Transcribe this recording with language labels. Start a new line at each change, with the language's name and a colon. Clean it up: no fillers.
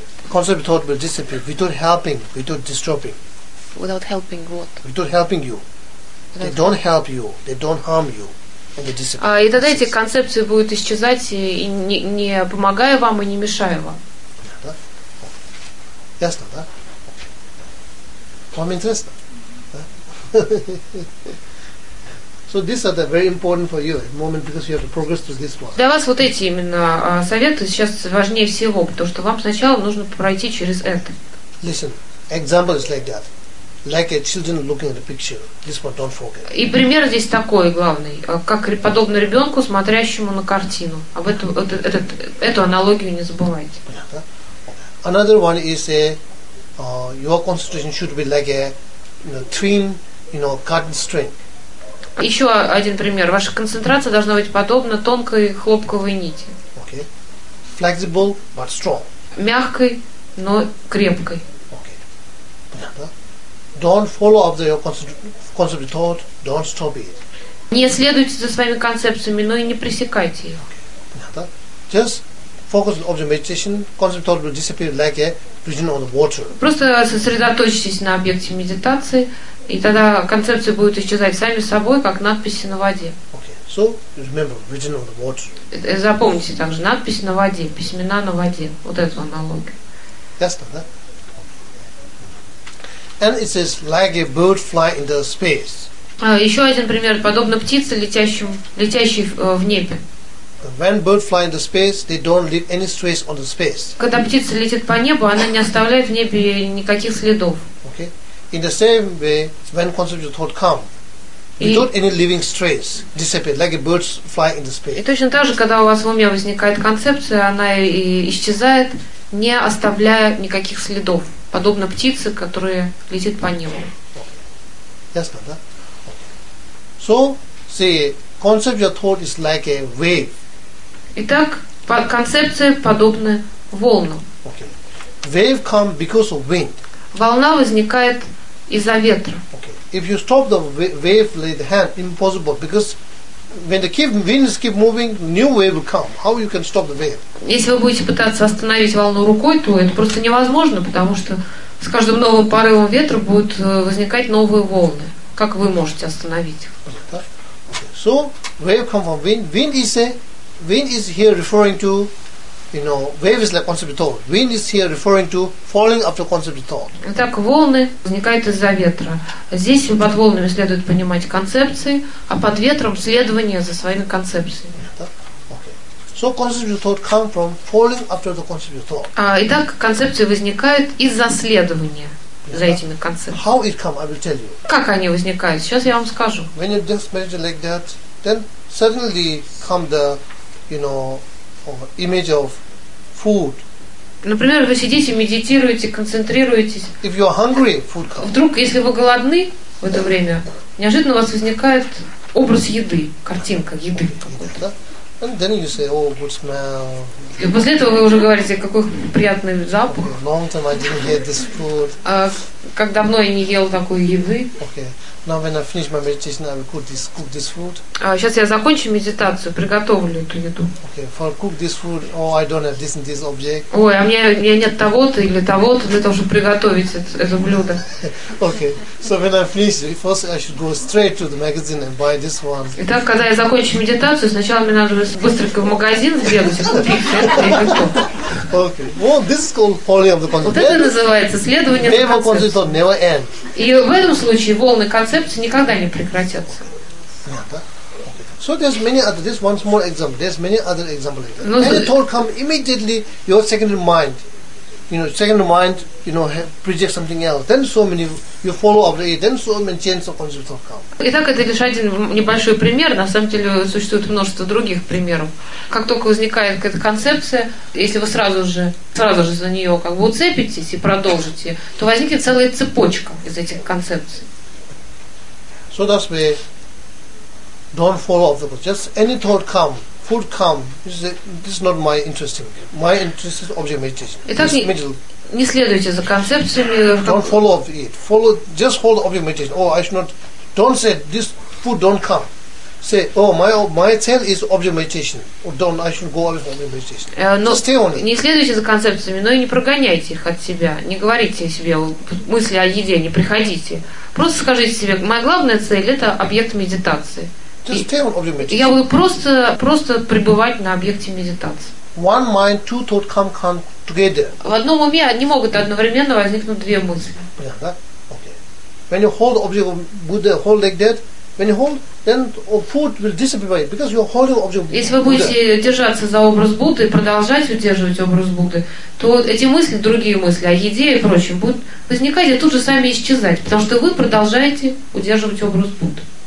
English: Concept thought will disappear without helping, without disturbing. Without helping what? Without helping you. Without they don't help you. They don't harm you. And they disappear.
Russian: И тогда эти концепции будут исчезать, и не помогая вам и не мешая вам. Ясно, да? Вам интересно?
English: So these are the very important for you at the moment because you have to progress through this one.
Russian: Для вас вот эти именно советы сейчас важнее всего, потому что вам сначала нужно пройти через это.
English: Listen, example is like that. Like a children looking at a picture. This one don't forget.
Russian: И пример здесь такой главный, как подобно ребенку, смотрящему на картину. Об этом эту аналогию не забывайте.
English: Another one is your concentration should be like thin, cotton string.
Russian: Еще один пример. Ваша концентрация должна быть подобна тонкой хлопковой нити.
English: Okay. Flexible, but strong.
Russian: Мягкой, но крепкой. Okay. Понятно?
English: Don't follow up your concept thought. Don't stop it.
Russian: Не следуйте за своими концепциями, но и не пресекайте их. Okay. Понятно?
English: Just focus on the meditation. Concept thought will disappear like a vision on the water.
Russian: Просто сосредоточьтесь на объекте медитации. И тогда концепции будут исчезать сами собой, как надписи на воде.
English: Okay. So, remember, written on the water.
Russian: Запомните также, надписи на воде, письмена на воде. Вот эту аналогию. Ясно, да?
English: And it says, like a bird fly in the space.
Russian: Еще один пример, подобно птице, летящей в небе.
English: When birds fly in the space, they don't leave any trace on the space.
Russian: Когда птица летит по небу, она не оставляет в небе никаких следов.
English: Okay. In the same way, when concentrated thought come, without any living trace, disappear like a bird fly in the space.
Russian: И точно так же, когда у вас в уме возникает концепция, она и исчезает, не оставляя никаких следов, подобно птице, которая летит по небу. Ясно, да?
English: So, see, concentrated thought is like a wave.
Russian: Итак, концепция подобна волнам.
English: Okay. Wave come because of wind.
Russian: Волна возникает из-за ветра.
English: Okay. If you stop the wave with the hand, impossible. Because when the winds keep moving, new wave will come. How you can stop the wave?
Russian: Если вы будете пытаться остановить волну рукой, то это просто невозможно, потому что с каждым новым порывом ветра будут возникать новые волны. Как вы можете остановить?
English: So wave come from wind. Wind is here referring to, you know, wave is like concept of thought. Wind is here referring to falling after concept of thought.
Russian: Итак, волны возникают из-за ветра. Здесь под волнами следует понимать концепции, а под ветром следование за своими концепциями.
English: So concepts of thought come from falling after the concept of thought.
Russian: Итак, концепции возникают из-за следования за этими концепциями.
English: How it come, I will tell you.
Russian: Как они возникают? Сейчас я вам скажу.
English: When you just manage like that, then suddenly come the, you know, image of food.
Russian: Например, вы сидите, медитируете, концентрируетесь.
English: If you are hungry, food comes.
Russian: Вдруг, если вы голодны в это время, неожиданно у вас возникает образ еды, картинка еды.
English: And then you say, oh, good smell.
Russian: И после этого вы уже говорите, какой приятный запах.
English: Okay, long time I didn't get this food.
Russian: Как давно я не ел такой еды.
English: Okay. Now when I finish my meditation, I will cook this food.
Russian: Сейчас я закончу медитацию, приготовлю эту еду.
English: Okay. For cook this food, oh, I don't have this and this object.
Russian: Ой, а мне нет того-то или того-то для того, чтобы приготовить это блюдо.
English: Okay. So when I finish, first I should go straight to the magazine and buy this one.
Russian: Итак, когда я закончу медитацию, сначала мне надо быстренько в магазин сбегать и купить это.
English: Okay. Well, this is called falling of the concept.
Russian: Вот это называется следование за концепцией.
English: Wave of concept never end.
Russian: И в этом случае волны концепции никогда не прекратятся.
English: So there's many other, this one small example. There's many other examples. Any thought come immediately, your secondary mind, you know, projects something else. Then so many, you follow up, then so many chains of concept come.
Russian: Итак, это лишь один небольшой пример. На самом деле существует множество других примеров. Как только возникает какая-то концепция, если вы сразу же за нее как бы уцепитесь и продолжите, то возникнет целая цепочка из этих концепций.
English: So that's why don't follow up the book. Just any thought come, food come. This is not my interesting. My interest is object meditation.
Russian: Итак, не следуйте за концепциями.
English: Don't follow up it. Follow, just hold object meditation. Oh, I should not. Don't say this food don't come. Say, oh, my cell is object meditation. Or don't, I should go away from object meditation.
Russian: Но
English: stay on it.
Russian: Не следуйте за концепциями, но и не прогоняйте их от себя. Не говорите себе мысли о еде, не приходите. Просто скажите себе, моя главная цель – это объект медитации.
English: Just stay on object meditation.
Russian: Я буду просто пребывать на объекте медитации.
English: One mind, two thought come together.
Russian: В одном уме не могут одновременно возникнуть две мысли.
English: Yeah, okay. When you hold object of Buddha, hold like that, when you hold, then food will disappear because you are holding object.
Russian: Если вы будете держаться за образ Будды и продолжать удерживать образ Будды, то эти мысли, другие мысли о еде и прочем, будут возникать и тут же сами исчезать, потому что вы продолжаете удерживать образ Будды.